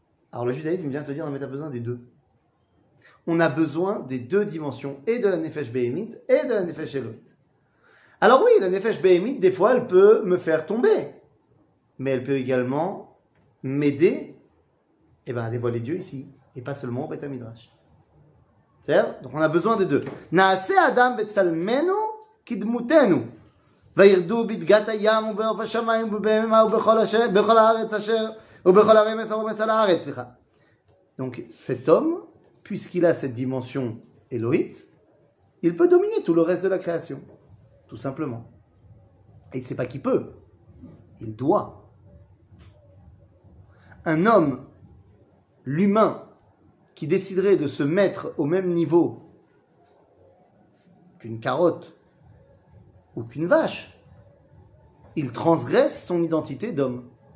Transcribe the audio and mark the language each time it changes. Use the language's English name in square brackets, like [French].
[French] Alors le judaïsme vient te dire, mais tu as besoin des deux. On a besoin des deux dimensions, et de la nefesh behemit et de la nefesh elohit. Alors oui, la nefesh behemit, des fois, elle peut me faire tomber. Mais elle peut également m'aider à dévoiler Dieu ici, et pas seulement au Beit HaMidrash. C'est-à-dire, donc on a besoin des deux. [Hebrew] Na'ase Adam betzalmenu kidmutenu. וירדו בדגת הים ובעוף השמיים ובהמה ובכל אשר, בכל הארץ אשר ובכל הרמס הרומס על הארץ, סליחה. [French] Donc cet homme, puisqu'il a cette dimension éloïte, il peut dominer tout le reste de la création, tout simplement. Et c'est pas qu'il peut, il doit. Un homme, l'humain, qui déciderait de se mettre au même niveau qu'une carotte, ou qu'une vache, il transgresse son identité d'homme.